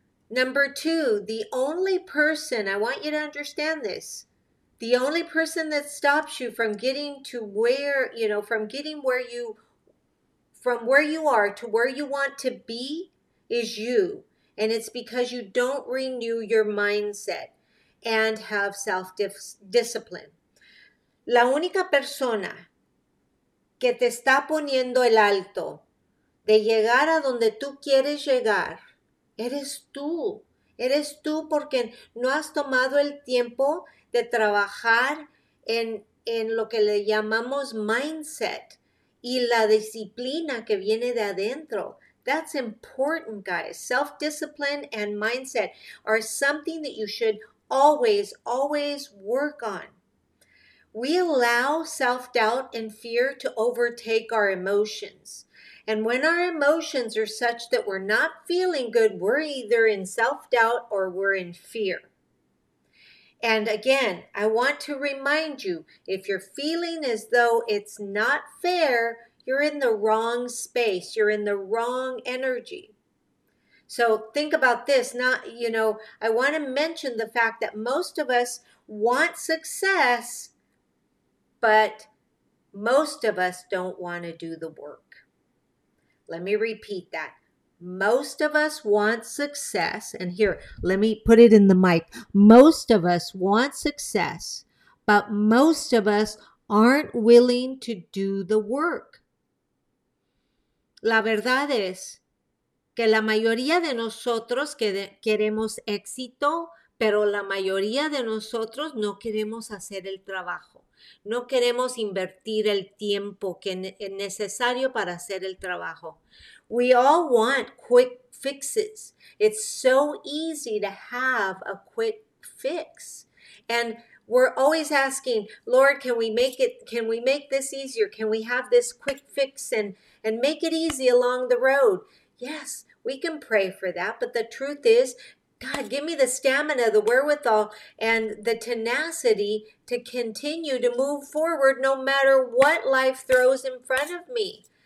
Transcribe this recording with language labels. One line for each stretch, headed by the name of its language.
English: Number two, the only person, I want you to understand this, the only person that stops you from getting to where, you know, from getting where you from where you are to where you want to be is you. And it's because you don't renew your mindset and have self-discipline.
Spanish: La única persona que te está poniendo el alto de llegar a donde tú quieres llegar, eres tú. Eres tú porque no has tomado el tiempo de trabajar en lo que le llamamos mindset y la disciplina que viene de adentro.
English: That's important, guys. Self-discipline and mindset are something that you should always, always work on. We allow self-doubt and fear to overtake our emotions. And when our emotions are such that we're not feeling good, we're either in self-doubt or we're in fear. And again, I want to remind you, if you're feeling as though it's not fair, you're in the wrong space. You're in the wrong energy. So think about this. I want to mention the fact that most of us want success, but most of us don't want to do the work. Let me repeat that. Most of us want success. And here, let me put it in the mic. Most of us want success, but most of us aren't willing to do the work.
Spanish: La verdad es que la mayoría de nosotros queremos éxito, pero la mayoría de nosotros no queremos hacer el trabajo. No queremos invertir el tiempo que es necesario para hacer el trabajo.
English: We all want quick fixes. It's so easy to have a quick fix. And we're always asking, Lord, can we make this easier? Can we have this quick fix and make it easy along the road? Yes, we can pray for that. But the truth is, God, give me the stamina, the wherewithal, and the tenacity to continue to move forward no matter what life throws in front of me.